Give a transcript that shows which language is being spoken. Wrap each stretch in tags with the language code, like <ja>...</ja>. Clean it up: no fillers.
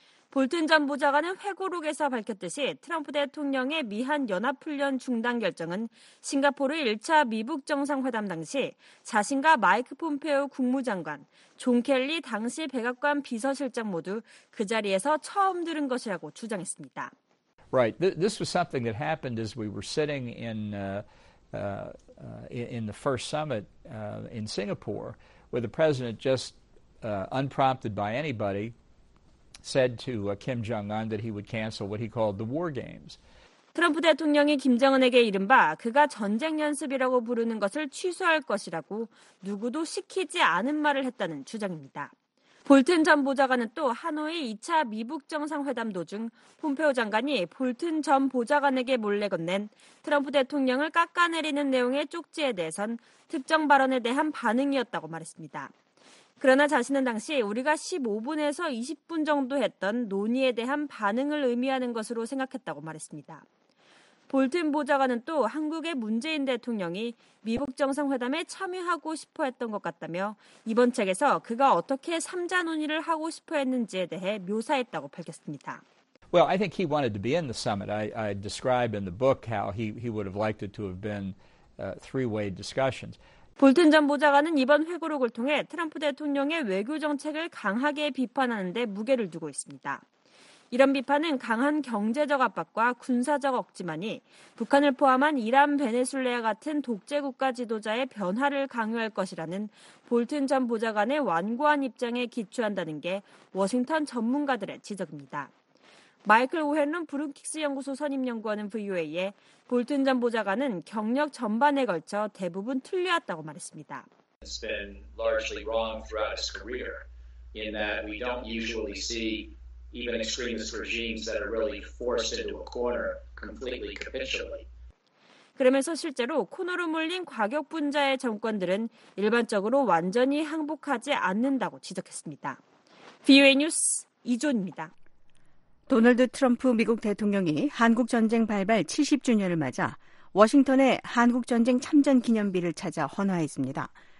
<ko>볼튼 전 보좌관은 회고록에서 밝혔듯이 트럼프 대통령의 미한 연합훈련 중단 결정은 싱가포르 1차 미북 정상회담 당시 자신과 마이크 폼페오 국무장관, 존 켈리 당시 백악관 비서실장 모두 그 자리에서 처음 들은 것이라고 주장했습니다.</ko> <en>Right, this was something that happened as we were sitting in the first summit in Singapore, where the president just unprompted by anybody. said to Kim Jong-un that he would cancel what he called the war games.</en> <ko>트럼프 대통령이 김정은에게 이른바 그가 전쟁 연습이라고 부르는 것을 취소할 것이라고 누구도 시키지 않은 말을 했다는 주장입니다. 볼튼 전 보좌관은 또 하노이 2차 미북 정상회담 도중 폼페오 장관이 볼튼 전 보좌관에게 몰래 건넨 트럼프 대통령을 깎아내리는 내용의 쪽지에 대해선 특정 발언에 대한 반응이었다고 말했습니다. 그러나 자신은 당시 우리가 15분에서 20분 정도 했던 논의에 대한 반응을 의미하는 것으로 생각했다고 말했습니다. 볼튼 보좌관은 또 한국의 문재인 대통령이 미북 정상회담에 참여하고 싶어 했던 것 같다며 이번 책에서 그가 어떻게 3자 논의를 하고 싶어 했는지에 대해 묘사했다고 밝혔습니다.</ko> <en>Well, I think he wanted to be in the summit. I describe in the book how he would have liked it to have been three-way discussions.</en> <ko>볼튼 전 보좌관은 이번 회고록을 통해 트럼프 대통령의 외교 정책을 강하게 비판하는 데 무게를 두고 있습니다. 이런 비판은 강한 경제적 압박과 군사적 억지만이 북한을 포함한 이란, 베네수엘라 같은 독재 국가 지도자의 변화를 강요할 것이라는 볼튼 전 보좌관의 완고한 입장에 기초한다는 게 워싱턴 전문가들의 지적입니다. 마이클 오헨론 브룬킥스 연구소 선임연구원은 VOA에 볼튼 전 보좌관은 경력 전반에 걸쳐 대부분 틀려왔다고 말했습니다.</ko> <en>It's been largely wrong throughout his career in that we don't usually see even extremist regimes that are really forced into a corner completely capitulate.</en> <ko>그러면서 실제로 코너로 몰린 과격분자의 정권들은 일반적으로 완전히 항복하지 않는다고 지적했습니다. VOA 뉴스 이존입니다. 도널드 트럼프 미국 대통령이 한국전쟁 발발 70주년을 맞아 워싱턴에 한국전쟁 참전 기념비를 찾아 헌화했습니다.</ko>